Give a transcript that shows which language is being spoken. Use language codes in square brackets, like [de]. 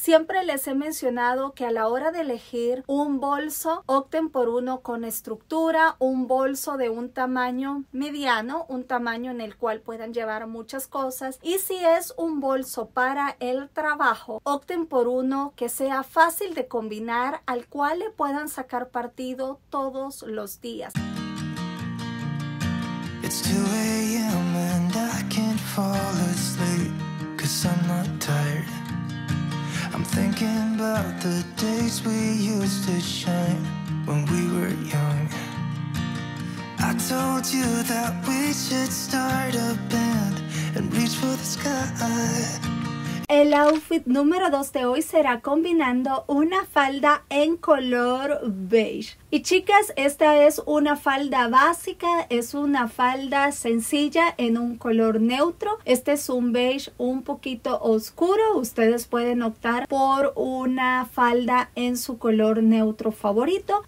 [es] Siempre les he mencionado que a la hora de elegir un bolso, opten por uno con estructura, un bolso de un tamaño mediano, un tamaño en el cual puedan llevar muchas cosas. Y si es un bolso para el trabajo, opten por uno que sea fácil de combinar, al cual le puedan sacar partido todos los días. [en] It's 2 a.m. and I can't fall asleep, 'cause I'm not tired. I'm thinking about the days we used to shine when we were young. I told you that we should start a band and reach for the sky. [es] El outfit número 2 de hoy será combinando una falda en color beige. Y chicas, esta es una falda básica, es una falda sencilla en un color neutro. Este es un beige un poquito oscuro. Ustedes pueden optar por una falda en su color neutro favorito.